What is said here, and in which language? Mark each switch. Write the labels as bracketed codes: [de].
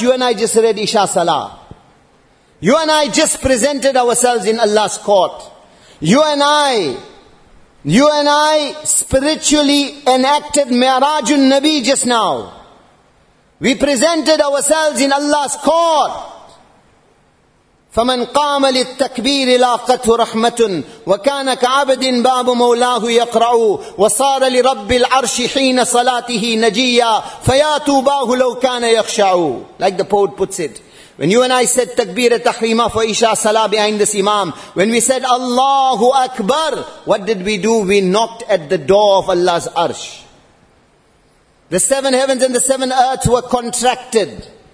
[en] You and I just read Isha Salah. You and I just presented ourselves in Allah's court. You and I spiritually enacted Mi'rajun Nabi just now. We presented ourselves in Allah's court. [ar] فَمَنْ قَامَ لِلْتَكْبِيرِ لَاقَتْهُ رَحْمَةٌ وَكَانَ كَعَبَدٍ بَابُ مَوْلَاهُ يَقْرَعُ وَصَارَ لِرَبِّ الْعَرْشِ حِينَ صَلَاتِهِ نَجِيًّا فَيَا تُوبَاهُ لَوْ كَانَ يَخْشَعُ [en] Like the poet puts it. When you and I said takbir tahrima for Isha Salah behind this imam, when we said Allahu Akbar, what did we do? We knocked at the door of Allah's arsh. The seven heavens and the seven earths were contracted.